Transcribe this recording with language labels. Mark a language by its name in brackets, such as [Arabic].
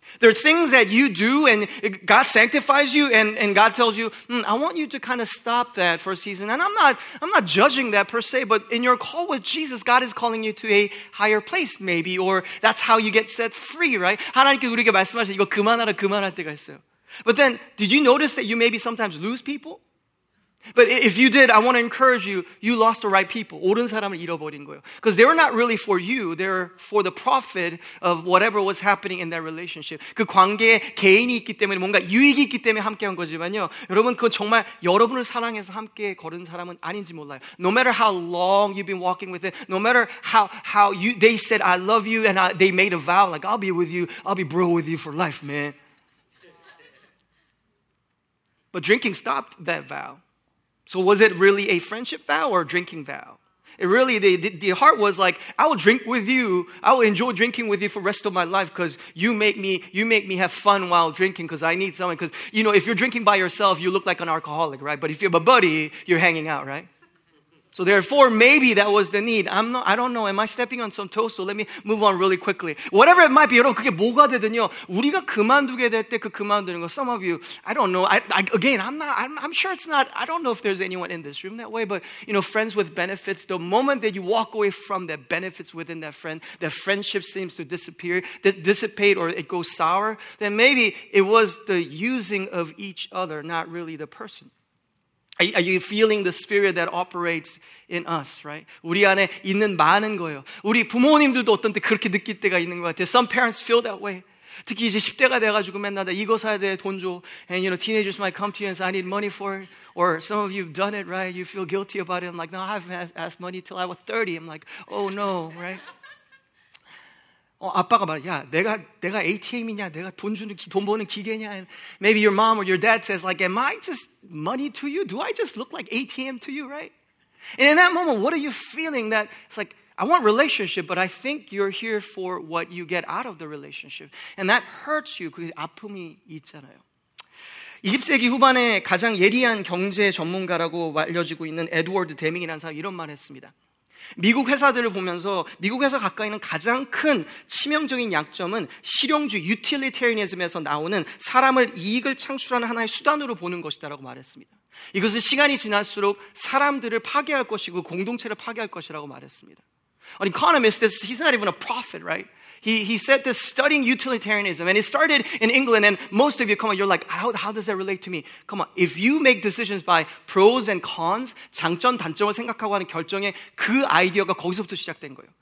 [English] There are things that you do and God sanctifies you and God tells you, I want you to kind of stop that for a season. And I'm not judging that per se, but in your call with Jesus, God is calling you to a higher place maybe, or that's how you get set free, right? [Korean] 하나님께 우리에게 말씀하셔서 이거 그만하라 그만할 때가 있어요. [English] But then, did you notice that you maybe sometimes lose people? But if you did, I want to encourage you, you lost the right people. [Korean] 옳은 사람을 잃어버린 거예요. [English] Because they were not really for you, they're for the profit of whatever was happening in that relationship. [Korean] 그 관계에 개인이 있기 때문에 뭔가 유익이 있기 때문에 함께한 거지만요. 여러분, 그건 정말 여러분을 사랑해서 함께 걸은 사람은 아닌지 몰라요. [English] No matter how long you've been walking with it, no matter how you, they said, I love you, and they made a vow, like, I'll be with you, I'll be bro with you for life, man. But drinking stopped that vow. So was it really a friendship vow or a drinking vow? It really, the heart was like, I will drink with you. I will enjoy drinking with you for the rest of my life because you make me have fun while drinking because I need someone. Because, you know, if you're drinking by yourself, you look like an alcoholic, right? But if you have a buddy, you're hanging out, right? So therefore, maybe that was the need. I don't know. Am I stepping on some toes? So let me move on really quickly. Whatever it might be, [Korean] 여러분, 그게 뭐가 되든요. 우리가 그만두게 될 때 그 그만두는 거. [English] Some of you, I don't know. I'm sure it's not. I don't know if there's anyone in this room that way. But, you know, friends with benefits, the moment that you walk away from the benefits within that friend, that friendship seems to disappear, dissipate, or it goes sour, then maybe it was the using of each other, not really the person. Are you feeling the spirit that operates in us, right? [Korean] 우리 안에 있는 많은 거예요. 우리 부모님들도 어떤 때 그렇게 느낄 때가 있는 것 같아요. [English] Some parents feel that way. [Korean] 특히 이제 10대가 돼가지고 맨날 나 이거 사야 돼, 돈 줘. [English] And, you know, teenagers might come to you and say, I need money for it. Or some of you have done it, right? You feel guilty about it. I'm like, no, I haven't asked money till I was 30. I'm like, oh, no, right? [Korean] 아빠가 말해, 야, 내가 ATM이냐, 내가 돈 버는 기계냐. [English] And maybe your mom or your dad says, like, am I just money to you? Do I just look like ATM to you, right? And in that moment, what are you feeling that, it's like, I want relationship, but I think you're here for what you get out of the relationship. And that hurts you, [Korean] 그게 아픔이 있잖아요. 20세기 후반에 가장 예리한 경제 전문가라고 알려지고 있는 에드워드 데밍이라는 사람이 이런 말을 했습니다. 미국 회사들을 보면서 미국에서 가까이 있는 가장 큰 치명적인 약점은 실용주의, 유틸리테리니즘에서 나오는 사람을 이익을 창출하는 하나의 수단으로 보는 것이다 라고 말했습니다. 이것은 시간이 지날수록 사람들을 파괴할 것이고 공동체를 파괴할 것이라고 말했습니다. [English] An economist, this, he's not even a prophet, right? He said this studying utilitarianism, and it started in England, and most of you, come on, you're like, how does that relate to me? Come on, if you make decisions by pros and cons, [Korean] 장점, 단점을 생각하고 하는 결정에 그 아이디어가 거기서부터 시작된 거예요.